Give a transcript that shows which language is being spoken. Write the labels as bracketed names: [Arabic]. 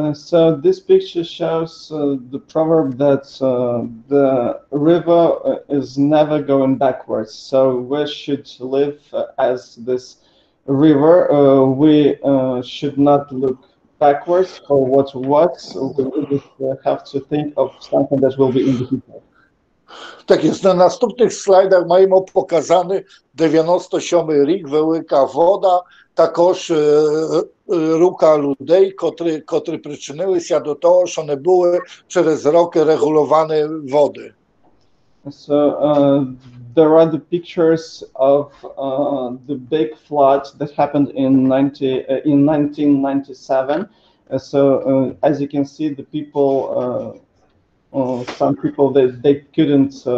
[English] So this picture shows the proverb that the river is never going backwards. So we should live as this river. We should not look backwards for what was. We have to think of something that will be in the future. [Ukrainian] Так, на наступних слайдах маємо показане 97-й рік, велика вода, також рука людей, котрі причинилися до того, що не були через роки регулювані води. [English] So, there are the pictures of the big flood that happened in 1997. So, as you can see, the people some people they couldn't